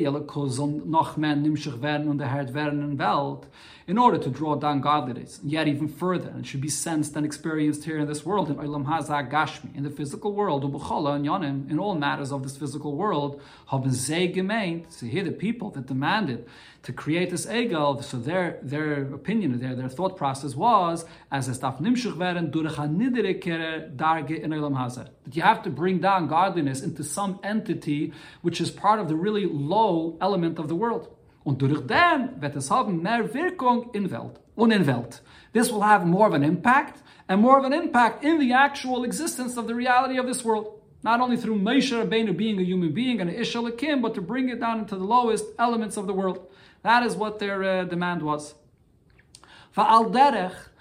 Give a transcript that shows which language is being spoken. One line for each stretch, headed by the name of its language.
English: Furthermore, in order to draw down godliness, yet even further, and should be sensed and experienced here in this world, in Olam Hazah Gashmi, in the physical world, in all matters of this physical world, so here the people that demanded to create this egel, so their opinion, their thought process was, that you have to bring down godliness into some entity which is part of the really low element of the world.
Yiddish: Und durch dem wird es haben mehr Wirkung in Welt, und in Welt.
English: This will have more of an impact, and more of an impact in the actual existence of the reality of this world. Not only through Moshe Rabbeinu being a human being and an Ish Elokim, but to bring it down into the lowest elements of the world. That is what their demand was. Va'al derech,